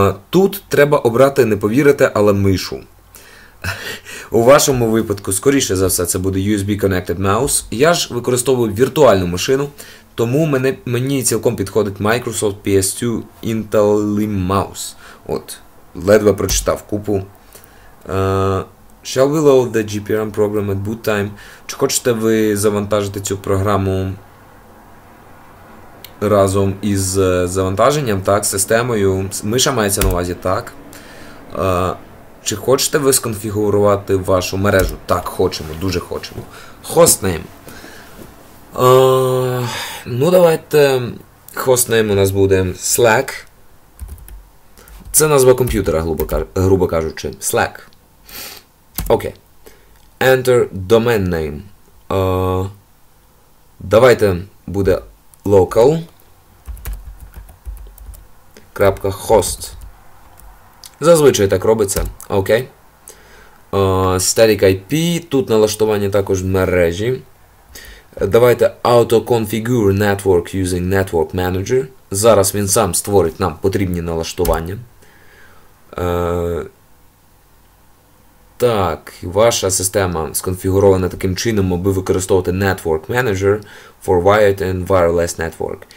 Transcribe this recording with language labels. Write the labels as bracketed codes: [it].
[uk] Тут треба обрати, не повірите, але мишу. У вашому випадку, скоріше за все, це буде USB Connected Mouse. Я ж використовую віртуальну машину, тому мені цілком підходить Microsoft PS2 IntelliMouse. От, ледве прочитав купу. [en] Shall we load the GPRM program at boot time? [uk] Чи хочете ви завантажити цю програму разом із завантаженням, так, системою? Миша мається на увазі, так. Чи хочете ви сконфігурувати вашу мережу? Так, хочемо, дуже хочемо. Хостнейм. Ну, давайте, хостнейм у нас буде Slack. Це назва комп'ютера, грубо кажучи. [en] Slack. Окей. Enter domain name. [uk] Давайте буде local. .host. Зазвичай так робиться. Окей. [en] Static IP. [uk] Тут налаштування також мережі. Давайте [en] auto-configure network using network manager. [uk] Зараз він сам створить нам потрібні налаштування. Так, ваша система сконфігурована таким чином, аби використовувати Network Manager [en] for Wired and Wireless Network.